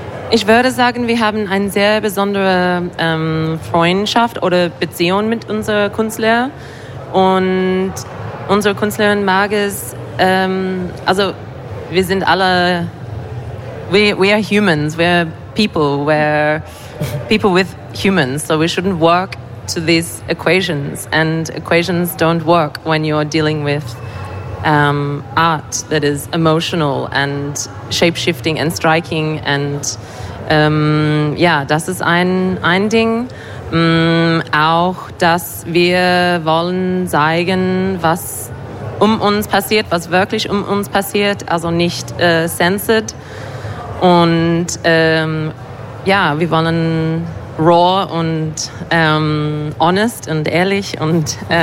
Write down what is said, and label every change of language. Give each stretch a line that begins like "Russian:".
German: Ich würde sagen, wir haben eine sehr besondere Freundschaft oder Beziehung mit unserer Künstler. Und unsere Künstlerin mag es, wir sind alle...
English: We are humans, we're people with humans, so we shouldn't work to these equations, and equations don't work when you're dealing with art that is emotional and shape-shifting and striking, and
German: das ist ein Ding. Auch, dass wir wollen zeigen, was um uns passiert, was wirklich um uns passiert, also nicht censored. Und wir wollen raw und honest und ehrlich und...